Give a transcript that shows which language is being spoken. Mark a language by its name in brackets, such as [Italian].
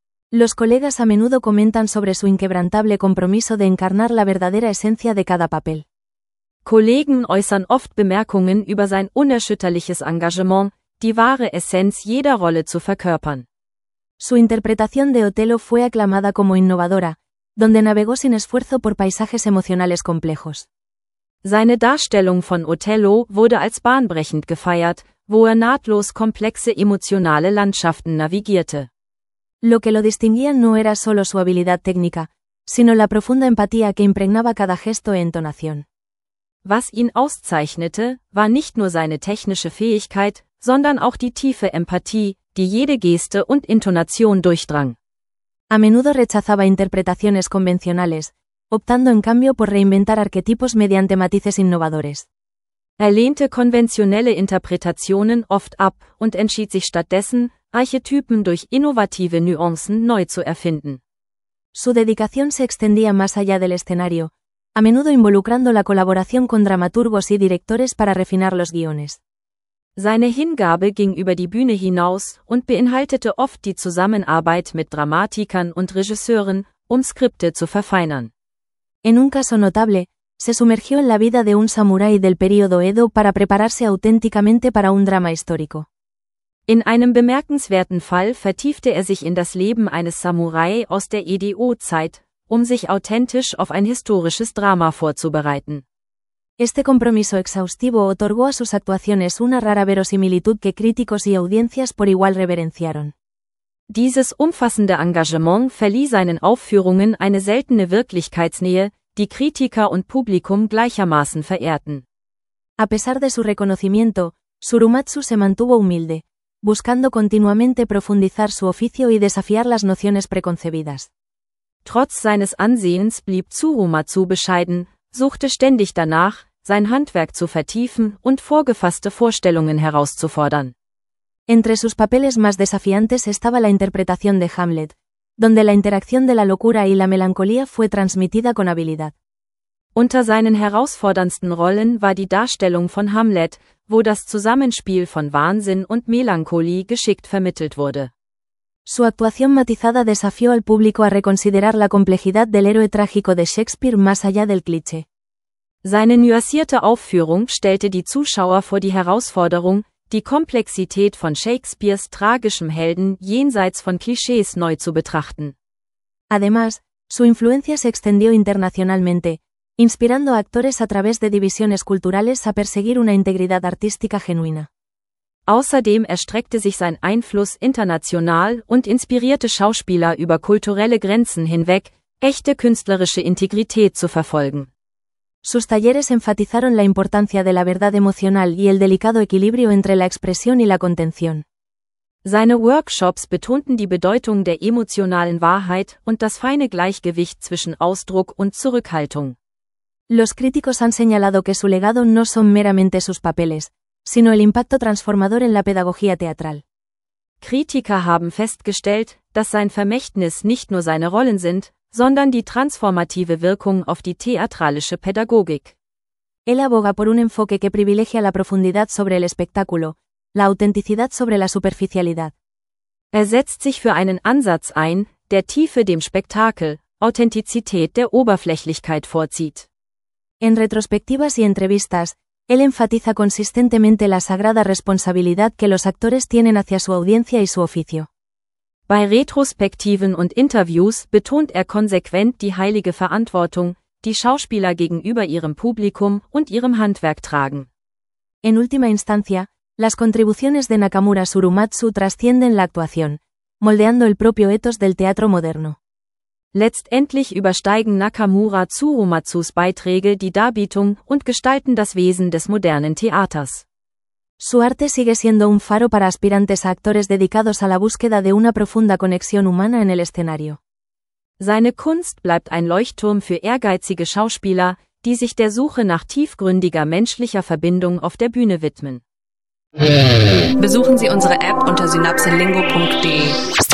[Spanish] Los colegas a menudo comentan sobre su inquebrantable compromiso de encarnar la verdadera esencia de cada papel. [German] Kollegen äußern oft Bemerkungen über sein unerschütterliches Engagement, die wahre Essenz jeder Rolle zu verkörpern. [Spanish] Su interpretación de Otelo fue aclamada como innovadora, donde navegó sin esfuerzo por paisajes emocionales complejos. [German] Seine Darstellung von Otelo wurde als bahnbrechend gefeiert, wo er nahtlos komplexe emotionale Landschaften navigierte. [Spanish] Lo que lo distinguía no era solo su habilidad técnica, sino la profunda empatía que impregnaba cada gesto e entonación. [German] Was ihn auszeichnete, war nicht nur seine technische Fähigkeit, sondern auch die tiefe Empathie, die jede Geste und Intonation durchdrang. [Spanish] A menudo rechazaba interpretaciones convencionales, optando en cambio por reinventar arquetipos mediante matices innovadores. [German] Er lehnte konventionelle Interpretationen oft ab und entschied sich stattdessen, Archetypen durch innovative Nuancen neu zu erfinden. [Spanish] Su dedicación se extendía más allá del escenario, a menudo involucrando la colaboración con dramaturgos y directores para refinar los guiones. [German] Seine Hingabe ging über die Bühne hinaus und beinhaltete oft die Zusammenarbeit mit Dramatikern und Regisseuren, um Skripte zu verfeinern. [Spanish] En un caso notable, se sumergió en la vida de un samurái del período Edo para prepararse auténticamente para un drama histórico. [German] In einem bemerkenswerten Fall vertiefte er sich in das Leben eines Samurai aus der Edo-Zeit, um sich authentisch auf ein historisches Drama vorzubereiten. [Spanish] Este compromiso exhaustivo otorgó a sus actuaciones una rara verosimilitud que críticos y audiencias por igual reverenciaron. [German] Dieses umfassende Engagement verlieh seinen Aufführungen eine seltene Wirklichkeitsnähe, die Kritiker und Publikum gleichermaßen verehrten. [Spanish] A pesar de su reconocimiento, Surumatsu se mantuvo humilde, buscando continuamente profundizar su oficio y desafiar las nociones preconcebidas. [German] Trotz seines Ansehens blieb Tsurumatsu bescheiden, suchte ständig danach, sein Handwerk zu vertiefen und vorgefasste Vorstellungen herauszufordern. [Spanish] Entre sus papeles más desafiantes estaba la interpretación de Hamlet, donde la interacción de la locura y la melancolía fue transmitida con habilidad. [German] Unter seinen herausforderndsten Rollen war die Darstellung von Hamlet, wo das Zusammenspiel von Wahnsinn und Melancholie geschickt vermittelt wurde. [Spanish] Su actuación matizada desafió al público a reconsiderar la complejidad del héroe trágico de Shakespeare más allá del cliché. [German] Seine nuancierte Aufführung stellte die Zuschauer vor die Herausforderung, die Komplexität von Shakespeares tragischem Helden jenseits von Klischees neu zu betrachten. [Spanish] Además, su influencia se extendió internacionalmente, inspirando a actores a través de divisiones culturales a perseguir una integridad artística genuina. [German] Außerdem erstreckte sich sein Einfluss international und inspirierte Schauspieler über kulturelle Grenzen hinweg, echte künstlerische Integrität zu verfolgen. [Spanish] Sus talleres enfatizaron la importancia de la verdad emocional y el delicado equilibrio entre la expresión y la contención. [German] Seine Workshops betonten die Bedeutung der emotionalen Wahrheit und das feine Gleichgewicht zwischen Ausdruck und Zurückhaltung. [Spanish] Los críticos han señalado que su legado no son meramente sus papeles, sino el impacto transformador en la pedagogía teatral. [German] Kritiker haben festgestellt, dass sein Vermächtnis nicht nur seine Rollen sind, sondern die transformative Wirkung auf die theatralische Pädagogik. [Spanish] Él aboga por un enfoque que privilegia la profundidad sobre el espectáculo, la autenticidad sobre la superficialidad. [German] Er setzt sich für einen Ansatz ein, der Tiefe dem Spektakel, Authentizität der Oberflächlichkeit vorzieht. [Spanish] En retrospectivas y entrevistas, él enfatiza consistentemente la sagrada responsabilidad que los actores tienen hacia su audiencia y su oficio. [German] Bei Retrospektiven und Interviews betont er konsequent die heilige Verantwortung, die Schauspieler gegenüber ihrem Publikum und ihrem Handwerk tragen. [Spanish] En última instancia, las contribuciones de Nakamura Surumatsu trascienden la actuación, moldeando el propio ethos del teatro moderno. [German] Letztendlich übersteigen Nakamura Tsurumatsus Beiträge die Darbietung und gestalten das Wesen des modernen Theaters. [Spanish] Su arte sigue siendo un faro para aspirantes a actores dedicados a la búsqueda de una profunda conexión humana en el escenario. [German] Seine Kunst bleibt ein Leuchtturm für ehrgeizige Schauspieler, die sich der Suche nach tiefgründiger menschlicher Verbindung auf der Bühne widmen. Besuchen Sie unsere App unter synapsenlingo.de.